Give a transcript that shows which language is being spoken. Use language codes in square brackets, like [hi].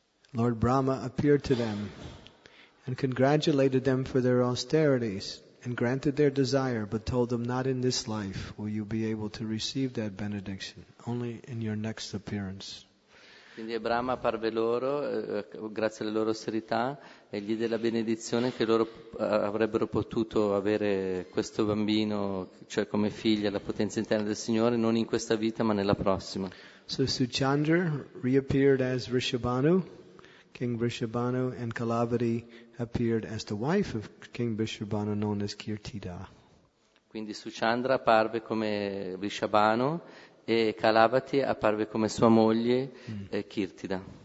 [en] Lord Brahma appeared to them and congratulated them for their austerities and granted their desire, but told them, not in this life will you be able to receive that benediction, only in your next appearance. [it] Quindi Brahma apparve loro, grazie alla loro austerità, e gli diede la benedizione che loro avrebbero potuto avere questo bambino, cioè come figlia, la potenza interna del Signore, non in questa vita ma nella prossima. [en] So Suchandra reappeared as Vrishabhanu. King Vrishabhanu and Kalavati appeared as the wife of King Vrishabhanu, known as Kirtida. [it] Quindi Suchandra apparve come Vrishabhanu e Kalavati apparve come sua moglie Kirtida.